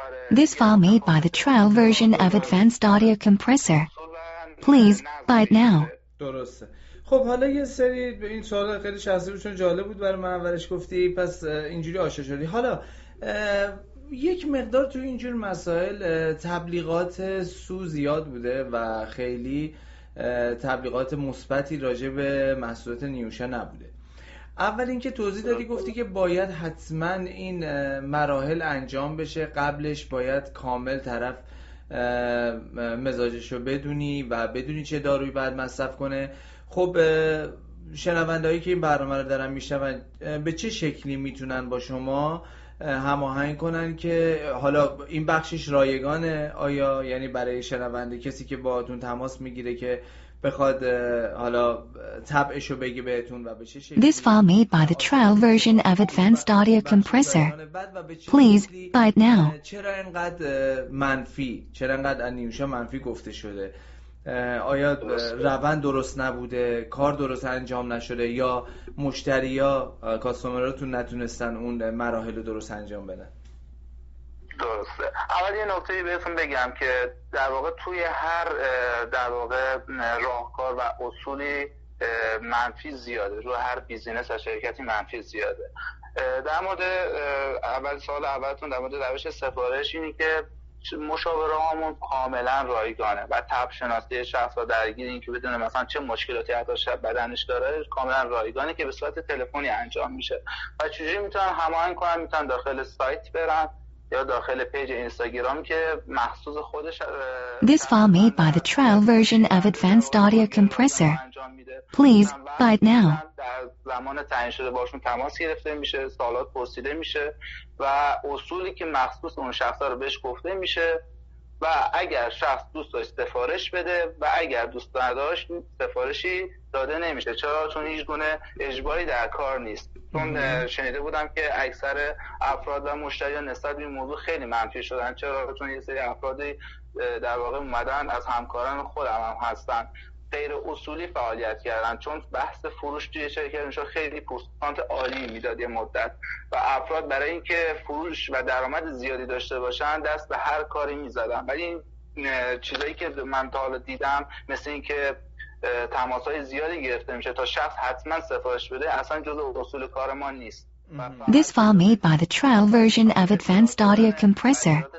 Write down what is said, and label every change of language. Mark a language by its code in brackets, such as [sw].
[en] This file made by the trial version of Advanced Audio Compressor. Please buy it now. [fa] درسته. خب حالا یه سری این سوال خیلی شخصی بود چون جالب بود برای من اولش گفتی، پس اینجوری آشنا شدی. حالا یک مقدار تو اینجور مسائل تبلیغات سو زیاد بوده و خیلی تبلیغات مثبتی راجع به محصولات نیوشه نبوده. اول اینکه توضیح دادی، گفتی که باید حتما این مراحل انجام بشه، قبلش باید کامل طرف مزاجشو بدونی و بدونی چه دارویی باید مصرف کنه. خب شنوندهایی که این برنامه رو دارن میشنون به چه شکلی میتونن با شما هماهنگ کنن؟ که حالا این بخشش رایگانه، آیا یعنی برای شنونده کسی که باهاتون تماس میگیره که بخواد حالا تبعشو بگه بهتون و به چه شکلی؟ [en] This file made by the trial version of Advanced Audio Compressor. Please buy it now. [fa] چرا اینقدر منفی، چرا اینقدر نیوشا منفی گفته شده؟ آیا روند درست نبوده، کار درست انجام نشده، یا مشتری یا کاستومراتون نتونستن اون مراحل درست انجام بدن؟ درسته. اول یه نکته بهتون بگم که در واقع توی هر در واقع راهکار و اصولی منفی زیاده، روی هر بیزینس و شرکتی منفی زیاده. در مورد اول سال اولتون در مورد روش سفارش، اینی که مشاوره هامون کاملا رایگانه و تب شناسی شخص و درگیر این که بدونه مثلا چه مشکلاتی حتی بدنش داره کاملا رایگانه که به صورت تلفنی انجام میشه. و چجوری میتونن هماهنگ کنن؟ میتونن داخل سایت برن یا داخل پیج اینستاگرام که مخصوص خودش [en] This file made by the trial version of Advanced Audio Compressor. Please buy it now. [fa] در زمان تعیین شده باشون تماس گرفته میشه، سوالات پرسیده میشه و اصولی که مخصوص اون شخصا رو بهش گفته میشه و اگر شخص دوست داشت سفارش بده و اگر دوست نداشت سفارشی داده نمیشه. چرا؟ چون هیچ گونه اجباری در کار نیست. چون شنیده بودم که اکثر افراد و مشتریان نسبت به موضوع خیلی منفی شدن. چرا؟ چون یه سری افرادی در واقع اومدن، از همکاران خودم هم هستن، غیر اصولی فعالیت کردن. چون بحث فروش توی شرکتش خیلی پرسنت عالی میداد یه مدت و افراد برای اینکه فروش و درآمد زیادی داشته باشن دست به هر کاری میزدن. ولی این چیزایی که من تا حالا دیدم، مثل اینکه تماس های زیادی گرفته میشه تا شخص حتما سفارش بده، اصلا جزء اصول کار ما نیست. [en] This file made by the trial version of Advanced Audio Compressor.